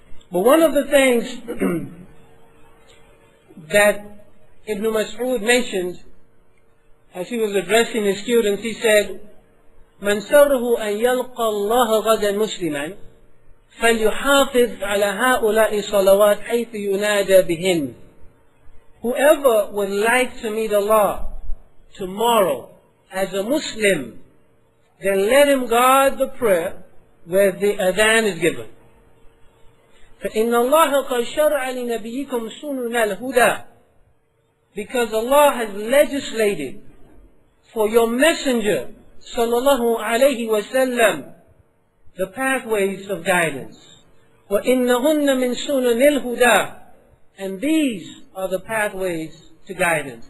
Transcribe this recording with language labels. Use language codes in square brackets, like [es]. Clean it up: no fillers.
[en] But one of the things that Ibn Mas'ud mentioned as he was addressing his students, he said, [ar] من سره أن يلقى الله غدا مسلما فليحافظ على هؤلاء صلوات حيث ينادى بهن. [en] Whoever would like to meet Allah tomorrow as a Muslim, then let him guard the prayer where the adhan is given. [ar] فإن الله قد شرع لنبيكم سنن الهدى. [en] Because Allah has legislated for your messenger, sallallahu alayhi wa sallam, the pathways of guidance. [ar] وَإِنَّهُنَّ مِنْ سُنَنِ الْهُدَىٰ. [en] And these are the pathways to guidance.